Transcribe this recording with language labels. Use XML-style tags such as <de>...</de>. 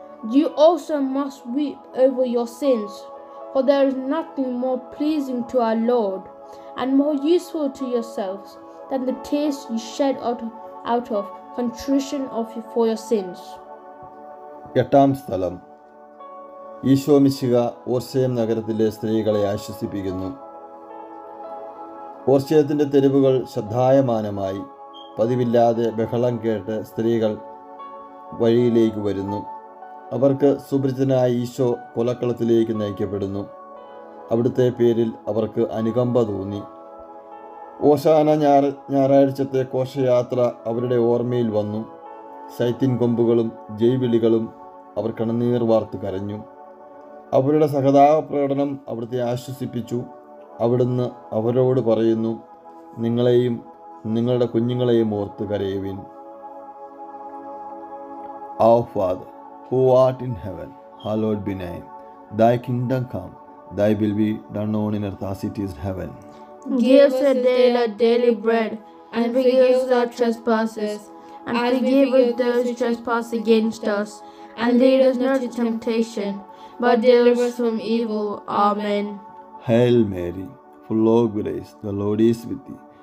<en>You also must weep over your sins, for there is nothing more pleasing to our Lord and more useful to yourselves than the tears you shed out of contrition of you for your sins.</en> <ml>എട്ടാം സ്ഥലം. ഈശോമിശിഹ ഓർശയം നഗരത്തിലെ സ്ത്രീകളെ ആശ്വസിപ്പിക്കുന്നു. ഓർശയത്തിൻ്റെ തെരുവുകൾ ശ്രദ്ധായമാനമായി, പതിവില്ലാതെ ബഹളം കേട്ട് സ്ത്രീകൾ വഴിയിലേക്ക് വരുന്നു. അവർക്ക് സുപരിചിതനായ ഈശോ കൊലക്കളത്തിലേക്ക് നയിക്കപ്പെടുന്നു. അവിടുത്തെ പേരിൽ അവർക്ക് അനുകമ്പ തോന്നി. ഓശാന ഞായറാഴ്ചത്തെ കോശയാത്ര അവരുടെ ഓർമ്മയിൽ വന്നു. സൈത്യൻ കൊമ്പുകളും ജയ്വിളികളും അവർ കണ്ണുനീർ വാർത്ത് കരഞ്ഞു. അവരുടെ സഹതാപ പ്രകടനം അവിടുത്തെ ആശ്വസിപ്പിച്ചു. അവിടുന്ന് അവരോട് പറയുന്നു, നിങ്ങളെയും നിങ്ങളുടെ കുഞ്ഞുങ്ങളെയും ഓർത്ത് കരയുവിൻ.</ml> <en>Our Father who art in heaven, hallowed be name, thy kingdom come, thy will be done on in earth as it is in heaven. Give us a day our daily bread, and forgive us our trespasses, and forgive us those trespass against us. And lead us not into temptation, but deliver us from evil. Amen. Hail Mary, full of grace, the Lord is with thee.</en>